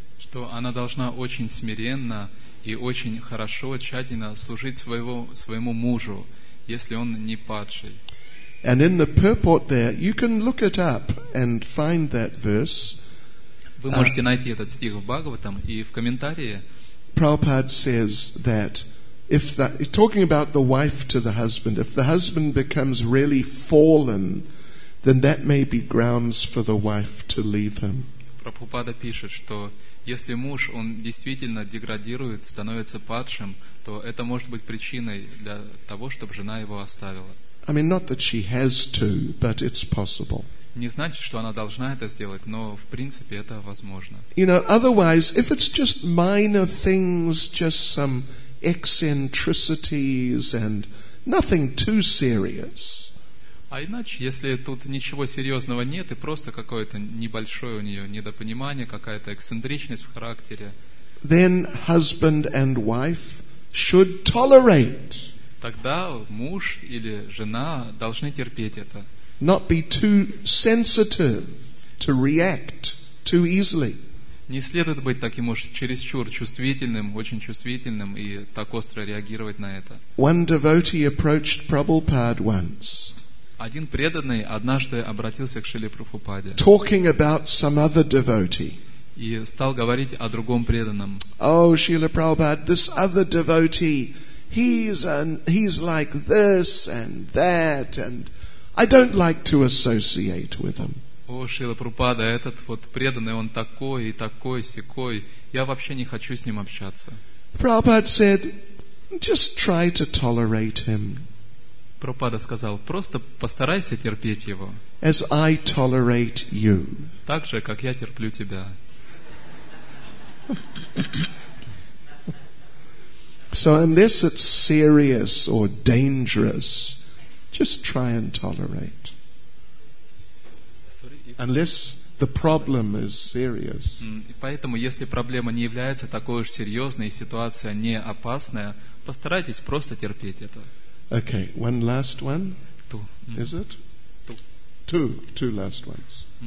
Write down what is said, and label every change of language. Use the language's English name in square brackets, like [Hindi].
[Russian] Что она должна очень смиренно и очень хорошо, тщательно служить своему мужу, если он не падший. [English] And in the purport there, you can look it up and find that verse. [Russian] Вы можете найти этот стих в Бхагаватам и в комментарии. [English] Prabhupada says that if that, talking about the wife to the husband, if the husband becomes really fallen, then that may be grounds for the wife to leave him. [Russian] Прабхупада пишет, что если муж, он действительно деградирует, становится падшим, то это может быть причиной для того, чтобы жена его оставила. [English] I mean, not that she has to, but it's possible. [Russian] Не значит, что она должна это сделать, но в принципе это возможно. [English] You know, otherwise, if it's just minor things, just some eccentricities and nothing too serious. [Russian] А иначе, если тут ничего серьезного нет и просто какое-то небольшое у нее недопонимание, какая-то эксцентричность в характере, [English] then husband and wife should tolerate. [Russian] Тогда муж или жена должны терпеть это. [English] Not be too sensitive to react too easily. [Russian] Не следует быть таким уж чересчур чувствительным, очень чувствительным и так остро реагировать на это. [English] One devotee approached Prabhupada once. [Russian] Один преданный однажды обратился к Шриле Прабхупаде. [English] Talking about some other devotee. [Russian] И стал говорить о другом преданном. [English] Oh, Srila Prabhupada, this other devotee, he's like this and that, and I don't like to associate with him. [Russian] О, Шрила Прабхупада, этот вот преданный, он такой и такой, сякой. Я вообще не хочу с ним общаться. [English] Prabhupada said, just try to tolerate him. [Russian] Прабхупада сказал, просто постарайся терпеть его. [English] As I tolerate you. [Russian] Так же, как я терплю тебя. [English] So unless it's serious or dangerous, just try and tolerate. Unless the problem is serious. [Russian] Поэтому, если проблема не является такой уж серьезной и ситуация не опасная, постарайтесь просто терпеть это. [English] Okay, one last one. Two. Is it? Two last ones.